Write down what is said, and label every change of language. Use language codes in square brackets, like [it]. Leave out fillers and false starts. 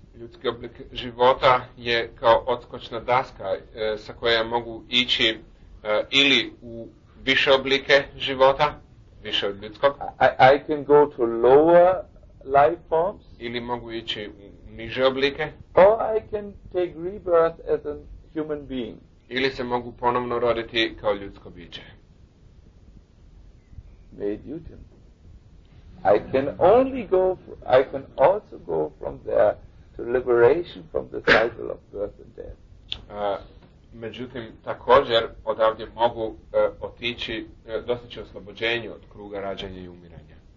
[hr] Ljudski oblik života je kao odskočna daska sa koje mogu ići ili u više oblike života, više od ljudskog. [en] I can go to lower life forms. [hr] Ili mogu ići u niže oblike. [en] Or I can take rebirth as a human being. [hr] Ili se mogu ponovno roditi kao ljudsko biće. [en] Made human. I can also go from there to liberation from the cycle of birth and death. [hr] Međutim, također odavde mogu otići, dostići oslobođenje od kruga rađanja i umiranja.